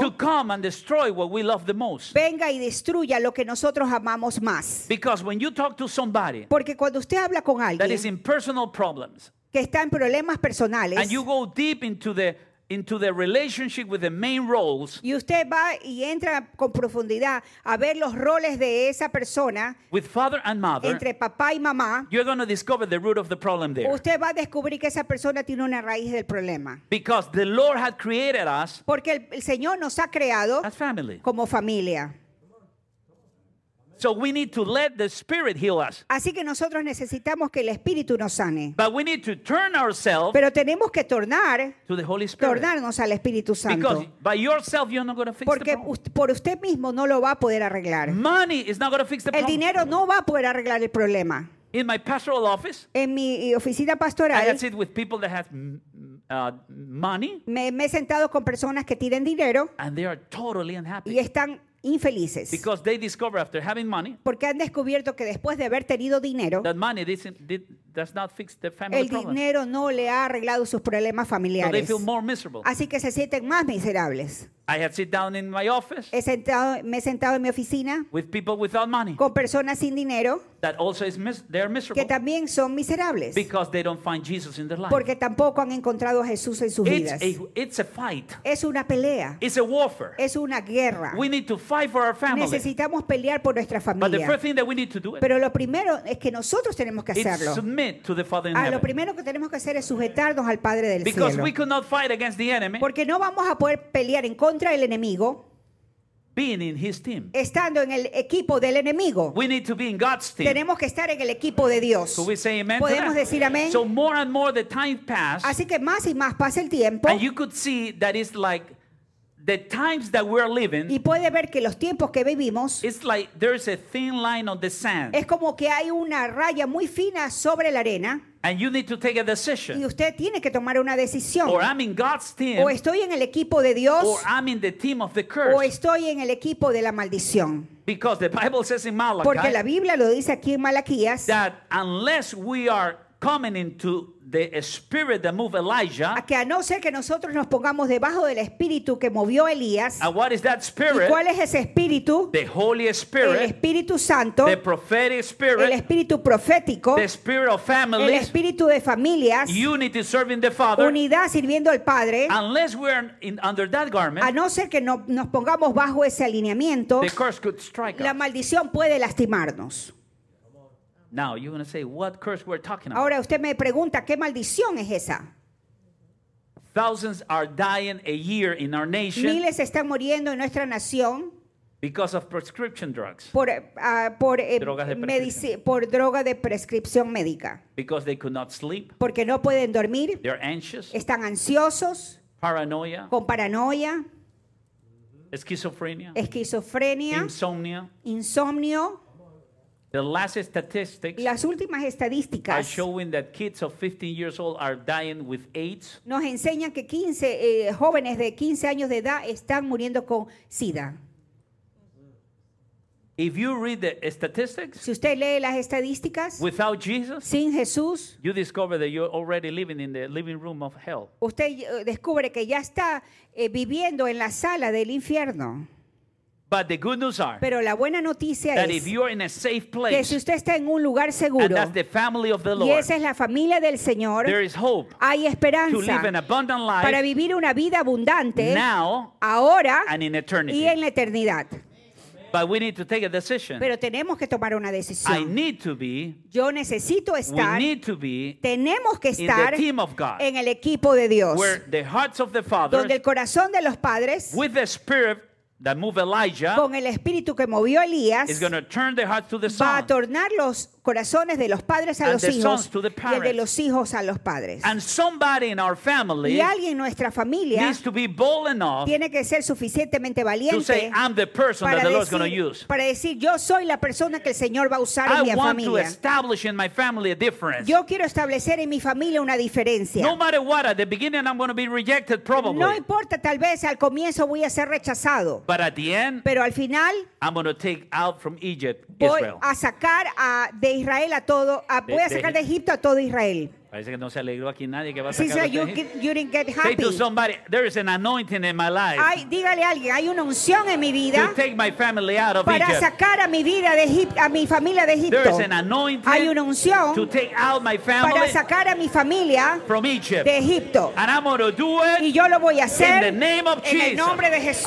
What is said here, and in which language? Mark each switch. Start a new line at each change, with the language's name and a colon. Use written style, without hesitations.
English: To come and destroy what we love the most.
Spanish: Venga y destruya lo que nosotros amamos más.
English: Because when you talk to somebody.
Spanish: Porque cuando usted habla con alguien.
English: That is in personal problems.
Spanish: Que está en problemas personales.
English: And you go deep into the relationship with the main roles.
Spanish: Y usted va y entra con profundidad a ver los roles de esa persona.
English: With father and mother.
Spanish: Entre papá y mamá.
English: You're going to discover the root of the problem there.
Spanish: Usted va a descubrir que esa persona tiene una raíz del problema.
English: Because the Lord had created us.
Spanish: Porque el Señor nos ha creado.
English: As family.
Spanish: Como familia.
English: So we need to let the Spirit heal us.
Spanish: Así que nosotros necesitamos que el Espíritu nos sane.
English: But we need to turn ourselves.
Spanish: Pero tenemos que tornar.
English: To the Holy Spirit.
Spanish: Tornarnos al Espíritu Santo.
English: Because by yourself you're not going to fix
Spanish: porque
English: the problem.
Spanish: Porque por usted mismo no lo va a poder arreglar.
English: Money is not going to fix the
Spanish: el
English: problem.
Spanish: El dinero no va a poder arreglar el problema.
English: In my pastoral office.
Spanish: En mi oficina pastoral.
English: I had sit with people that had money.
Spanish: Me he sentado con personas que tienen dinero.
English: And they are totally unhappy.
Spanish: Y están infelices.
English: Because they discover after having money.
Spanish: Porque han descubierto que después de haber tenido dinero.
English: That money does not fix the family problem.
Spanish: El dinero no le ha arreglado sus problemas familiares.
English: So they feel more miserable.
Spanish: Así que se sienten más miserables.
English: I had sit down in my office.
Spanish: Me he sentado en mi oficina.
English: With people without money.
Spanish: Con personas sin dinero.
English: That also is they are miserable.
Spanish: Que también son miserables.
English: Because they don't find Jesus in their life.
Spanish: Porque tampoco han encontrado a Jesús en sus vidas.
English: It's a fight.
Spanish: Es una pelea.
English: It's a warfare.
Spanish: Es una guerra.
English: We need to fight for our family.
Spanish: Necesitamos pelear por nuestra familia.
English: But the first thing that we need to do.
Spanish: Pero lo primero es que nosotros tenemos que hacerlo.
English: It's submit to the Father in heaven.
Spanish: Lo primero que tenemos que hacer es sujetarnos al Padre del
English: Because
Spanish: cielo.
English: Because we could not fight against the enemy.
Spanish: Porque no vamos a poder pelear en contra el enemigo.
English: Being in his team.
Spanish: Estando en el equipo del enemigo.
English: We need to be in God's team.
Spanish: Tenemos que estar en el equipo de Dios.
English: So we say amen.
Spanish: Podemos decir amén.
English: So more and more the time passed.
Spanish: Así que más y más pasa el tiempo.
English: And you could see that it's like the times that we're living.
Spanish: Y puede ver que los tiempos que vivimos.
English: It's like there's a thin line on the sand.
Spanish: Es como que hay una raya muy fina sobre la arena.
English: And you need to take a decision.
Spanish: Y usted tiene que tomar una decisión.
English: Or I'm in God's team.
Spanish: O estoy en el equipo de Dios.
English: Or I'm in the team of the curse.
Spanish: O estoy en el equipo de la maldición.
English: Because the Bible says in Malachi.
Spanish: Porque la Biblia lo dice aquí en Malaquías.
English: That unless we are coming into the spirit that moved Elijah.
Spanish: A que a no ser que nosotros nos pongamos debajo del espíritu que movió Elías.
English: And what is that spirit?
Spanish: ¿Y cuál es ese espíritu?
English: The Holy Spirit.
Spanish: El Espíritu Santo.
English: The prophetic spirit.
Spanish: El espíritu profético.
English: The spirit of families.
Spanish: El espíritu de familias.
English: Unity serving the Father.
Spanish: Unidad sirviendo al Padre.
English: Unless we are under that garment.
Spanish: A no ser que no nos pongamos bajo ese alineamiento.
English: The curse could strike us.
Spanish: La maldición puede lastimarnos.
English: Now you're going to say what curse we're talking about.
Spanish: Ahora usted me pregunta qué maldición es esa.
English: Thousands are dying a year in our nation.
Spanish: Miles están muriendo en nuestra nación.
English: Because of prescription drugs.
Spanish: Por droga de prescripción médica.
English: Because they could not sleep.
Spanish: Porque no pueden dormir.
English: They're anxious.
Spanish: Están ansiosos.
English: Paranoia.
Spanish: Con paranoia. Esquizofrenia. Esquizofrenia.
English: Insomnia.
Spanish: Insomnio.
English: The last statistics
Spanish: Las últimas estadísticas
English: are showing that kids of 15 years old are dying with AIDS.
Spanish: Nos enseñan que 15 jóvenes de 15 años de edad están muriendo con SIDA.
English: If you read the statistics,
Spanish: si usted lee las estadísticas,
English: without Jesus,
Spanish: sin Jesús,
English: you discover that you're already living in the living room of hell.
Spanish: Usted descubre que ya está viviendo en la sala del infierno.
English: But the good news are
Spanish: Pero la buena noticia
English: that
Spanish: es
English: if you are in a safe place,
Spanish: que si usted está en un lugar seguro,
English: and that's the family of the Lord,
Spanish: y esa es la familia del Señor,
English: there is hope
Spanish: hay esperanza
English: to live an abundant life
Spanish: para vivir una vida abundante
English: now
Spanish: ahora
English: and in eternity.
Spanish: Y en la eternidad.
English: But we need to take a decision.
Spanish: Pero tenemos que tomar una decisión.
English: I need to be,
Spanish: yo necesito estar.
English: We need to be,
Spanish: tenemos que estar
English: in the team of God,
Spanish: en el equipo de Dios,
English: where the hearts of the fathers,
Spanish: donde el corazón de los padres,
English: with the spirit that move Elijah,
Spanish: con el espíritu que movió Elías,
English: is going to turn their hearts to the son,
Spanish: va a tornar los corazones de los padres a los hijos y de los hijos a los padres.
English: And somebody in our family,
Spanish: y alguien en nuestra familia,
English: needs to be bold enough,
Spanish: tiene que ser suficientemente valiente,
English: to say I'm the person that the Lord's going to use,
Spanish: para decir yo soy la persona que el Señor va a usar
English: I
Spanish: en mi familia.
English: I want to establish in my family a difference.
Spanish: Yo quiero establecer en mi familia una diferencia.
English: No matter what, at the beginning I'm going to be rejected probably.
Spanish: No importa, tal vez al comienzo voy a ser rechazado.
English: But at the end,
Spanish: pero al final,
English: I'm going to take out from Egypt
Spanish: voy
English: Israel.
Spanish: A sacar a de Israel a todo, voy a sacar de Egipto a todo Israel. Parece que no se alegró aquí nadie que va a sacar sí, de
English: Egipto. You didn't get happy. Say to somebody, there is an anointing in my life.
Spanish: Ay, dígale a alguien, hay una unción en mi vida.
English: To take my family out of
Spanish: para
English: Egypt.
Spanish: Sacar a mi vida de Egipto, a mi familia de Egipto.
English: There is an anointing.
Spanish: Hay una unción.
English: To take out my family.
Spanish: Para sacar a mi familia.
English: From Egypt.
Spanish: De Egipto.
English: And I'm gonna do it.
Spanish: Y yo lo voy a hacer.
English: In the name of Jesus.
Spanish: En el nombre de Jesús.